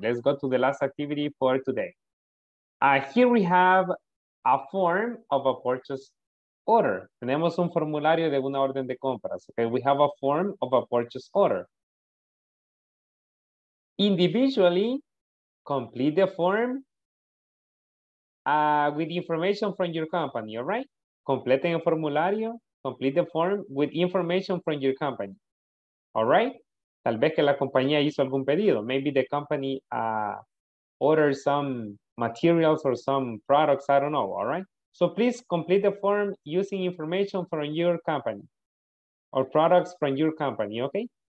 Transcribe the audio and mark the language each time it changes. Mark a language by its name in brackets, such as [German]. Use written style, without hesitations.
[English] Let's go to the last activity for today. Here we have a form of a purchase order. [Spanish] Tenemos un formulario de una orden de compras. [English] Okay, we have a form of a purchase order. Individually, complete the form with information from your company, all right? [Spanish] Completen el formulario, [English] complete the form with information from your company, all right? [Spanish] Tal vez que la compañía hizo algún pedido. [English] Maybe the company ordered some materials or some products, I don't know, all right? So please complete the form using information from your company or products from your company, okay?